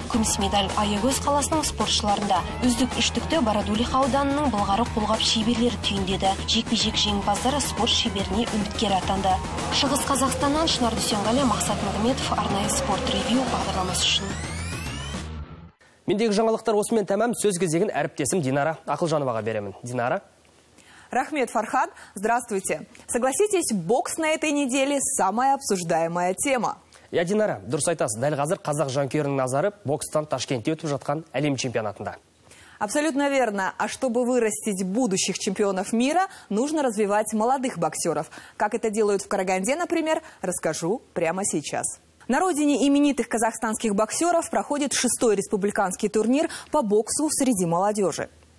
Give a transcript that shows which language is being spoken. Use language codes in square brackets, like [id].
[kk] Күміс медаль Аягөз қаласының спортшыларында. Үздік үштікті Бородулиха ауданының былғары қолғап шеберлері түйіндеді. Жекпе-жек жеңімпаздары спорт шеберіне үміткер атанды. Шығыс Қазақстаннан Шынар Дүйсенғали, Мақсат Нұрметов, арнайы спорт ревью бағдарламасы үшін. Мендегі жаңалықтар осымен тәмам. Сөз кезегін әріптесім Динара Ақылжановаға беремін. Динара. Рахмет [ru] Фархад, здравствуйте. Согласитесь, бокс на этой неделе – самая обсуждаемая тема. [kk] Я Динара, дұрыс айтасыз, дәл қазір қазақ жанкүйерінің назары бокстан Ташкентте өтіп жатқан әлем чемпионатында. [ru] Абсолютно верно. А чтобы вырастить будущих чемпионов мира, нужно развивать молодых боксеров. Как это делают в Караганде, например, расскажу прямо сейчас. На родине именитых казахстанских боксеров проходит 6-й республиканский турнир по боксу среди молодежи.